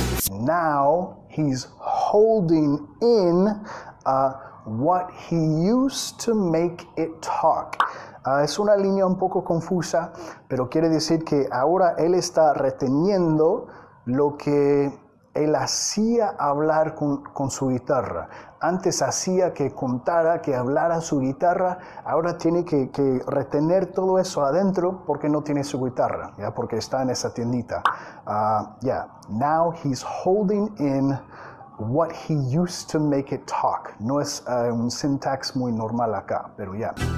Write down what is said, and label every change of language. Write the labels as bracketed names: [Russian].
[English] Now he's holding in what he used to make it talk. [Spanish] Es una línea un poco confusa, pero quiere decir que ahora él está reteniendo lo que él hacía hablar con su guitarra. Antes hacía que contara, que hablara su guitarra. Ahora tiene que retener todo eso adentro porque no tiene su guitarra, ya, porque está en esa tiendita. [English] Now he's holding in what he used to make it talk. [Spanish] No es un syntax muy normal acá, pero ya.